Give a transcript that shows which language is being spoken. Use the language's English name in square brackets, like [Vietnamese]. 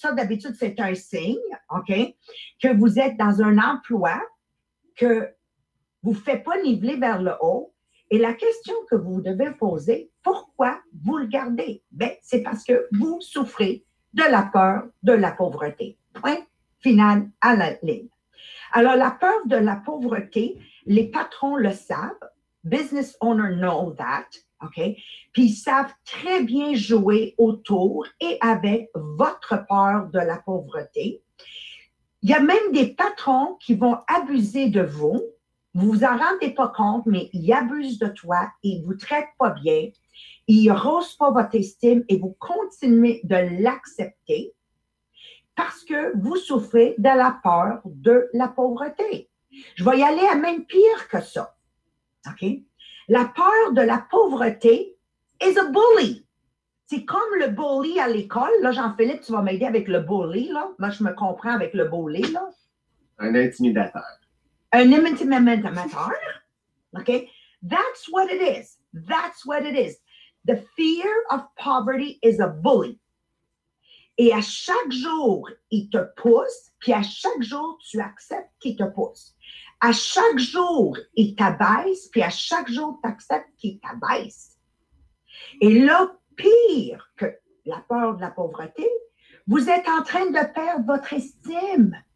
[French] Ça, d'habitude, c'est un signe, OK, que vous êtes dans un emploi que vous ne faites pas niveler vers le haut. Et la question que vous devez poser, pourquoi vous le gardez? Ben, c'est parce que vous souffrez de la peur de la pauvreté. Point final à la ligne. Alors, la peur de la pauvreté, les patrons le savent. [English] Business owners know that. Okay? [French] Puis, ils savent très bien jouer autour et avec votre peur de la pauvreté. Il y a même des patrons qui vont abuser de vous. Vous vous en rendez pas compte, mais ils abusent de toi, ils vous traitent pas bien, ils rehaussent pas votre estime et vous continuez de l'accepter parce que vous souffrez de la peur de la pauvreté. Je vais y aller à même pire que ça. OK? La peur de la pauvreté [English] is a bully. [French] C'est comme le bully à l'école. Là, Jean-Philippe, tu vas m'aider avec le bully, là. Moi, je me comprends avec le bully, là. Un intimidateur. Un intimidateur, [English] OK? That's what it is. That's what it is. The fear of poverty is a bully. [French] Et à chaque jour, il te pousse, puis à chaque jour, tu acceptes qu'il te pousse. À chaque jour, il t'abaisse, puis à chaque jour, tu acceptes qu'il t'abaisse. Et là, pire que la peur de la pauvreté, vous êtes en train de perdre votre estime.